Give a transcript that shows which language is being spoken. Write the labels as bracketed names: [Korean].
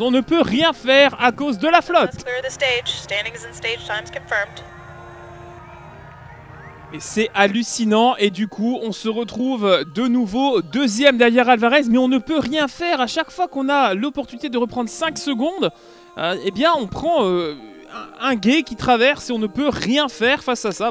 [French] On ne peut rien faire à cause de la flotte. [English] Let's clear the stage. Standings and stage times confirmed. [French] Et c'est hallucinant, et du coup, on se retrouve de nouveau deuxième derrière Alvarez, mais on ne peut rien faire. À chaque fois qu'on a l'opportunité de reprendre 5 secondes, eh bien, on prend un gay qui traverse et on ne peut rien faire face à ça.